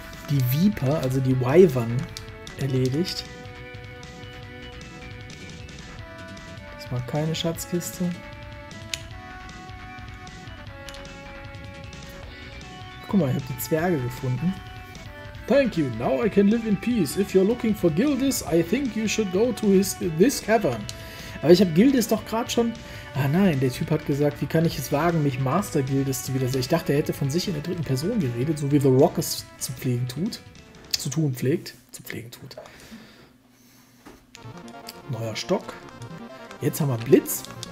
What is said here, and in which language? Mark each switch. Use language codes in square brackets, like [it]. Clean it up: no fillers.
[de] Die Viper, also die Wyvern, erledigt. Das war keine Schatzkiste. Guck mal, ich habe die Zwerge gefunden. [en] Thank you. Now I can live in peace. If you're looking for Gildis, I think you should go to his this cavern. [de] Aber ich habe Gildis doch gerade schon. Ah nein, der Typ hat gesagt, wie kann ich es wagen, mich Master Gildis zu widersehen? Ich dachte, er hätte von sich in der dritten Person geredet, so wie The Rock es zu pflegen tut. Zu tun pflegt. Zu pflegen tut. Neuer Stock. Jetzt haben wir Blitz.